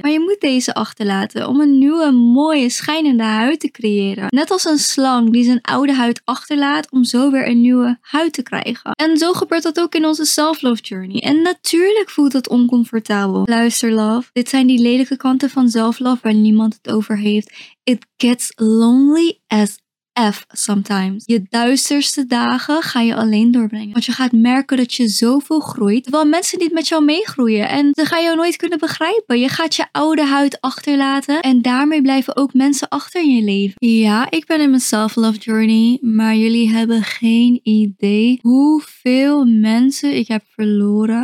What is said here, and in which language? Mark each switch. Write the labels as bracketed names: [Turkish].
[Dutch] Maar je moet deze achterlaten om een nieuwe, mooie, schijnende huid te creëren. Net als een slang die zijn oude huid achterlaat om zo weer een nieuwe huid te krijgen. En zo gebeurt dat ook in onze self-love journey. En natuurlijk voelt dat oncomfortabel. Luister, love. Dit zijn die lelijke kanten van self-love waar niemand het over heeft. [English] It gets lonely as F sometimes. [Dutch] Je duisterste dagen ga je alleen doorbrengen. Want je gaat merken dat je zoveel groeit. Terwijl mensen niet met jou meegroeien. En ze gaan jou nooit kunnen begrijpen. Je gaat je oude huid achterlaten. En daarmee blijven ook mensen achter in je leven. Ja, ik ben in mijn self-love journey. Maar jullie hebben geen idee hoeveel mensen ik heb verloren.